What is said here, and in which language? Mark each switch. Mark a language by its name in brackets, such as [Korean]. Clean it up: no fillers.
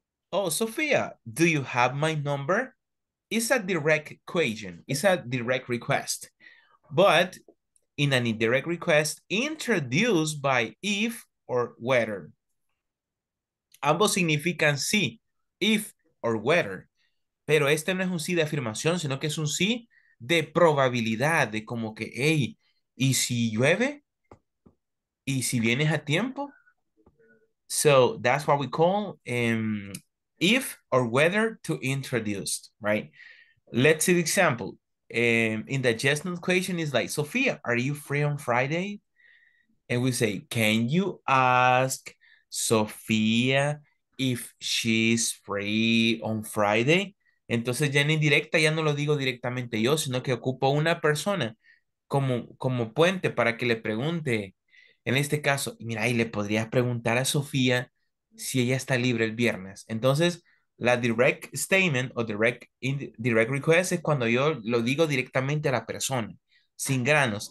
[English] Oh, Sophia, do you have my number? It's a direct question. It's a direct request. But in an indirect request, introduced by if or whether. [Spanish] Ambos significan sí, if or whether. Pero este no es un sí de afirmación, sino que es un sí de probabilidad, de como que, hey, ¿y si llueve? ¿Y si vienes a tiempo? [English] So that's what we call if or whether to introduce, right? Let's see the example. In the yes no question is like, Sophia, are you free on Friday? And we say, can you ask Sophia if she's free on Friday? [Spanish] Entonces ya en indirecta ya no lo digo directamente yo, sino que ocupo una persona como puente para que le pregunte. En este caso, mira, y le podrías preguntar a Sofía si ella está libre el viernes. Entonces, la direct statement o direct request es cuando yo lo digo directamente a la persona, sin granos.